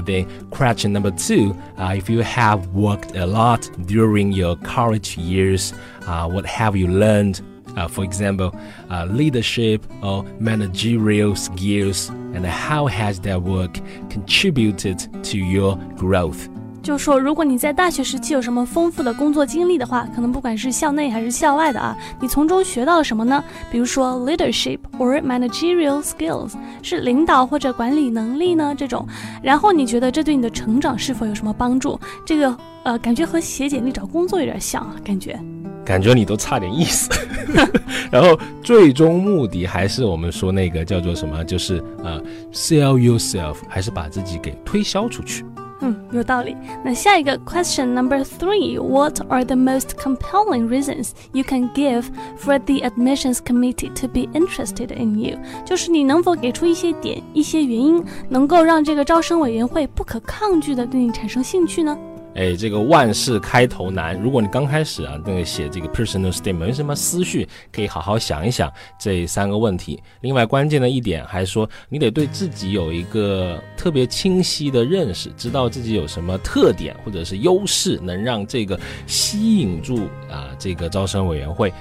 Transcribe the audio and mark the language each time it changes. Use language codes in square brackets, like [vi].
[en] Then question number two, if you have worked a lot during your college years, what have you learned? For example, leadership or managerial skills, and how has that work contributed to your growth? [zh] 就是说，如果你在大学时期有什么丰富的工作经历的话，可能不管是校内还是校外的啊，你从中学到了什么呢？比如说 [en] leadership or managerial skills [zh] 是领导或者管理能力呢这种，然后你觉得这对你的成长是否有什么帮助？这个感觉和写简历找工作有点像啊，感觉你都差点意思然后最终目的还是我们说那个叫做什么，就是 [en] sell yourself， [zh] 还是把自己给推销出去。有道理。那下一个 [en] question number three, what are the most compelling reasons you can give for the admissions committee to be interested in you? [zh] 就是你能否给出一些点，一些原因，能够让这个招生委员会不可抗拒的对你产生兴趣呢？哎，这个万事开头难，如果你刚开始啊，那个写这个 personal statement 什么思绪，可以好好想一想这三个问题。另外关键的一点还说，你得对自己有一个特别清晰的认识，知道自己有什么特点或者是优势，能让这个吸引住啊这个招生委员会。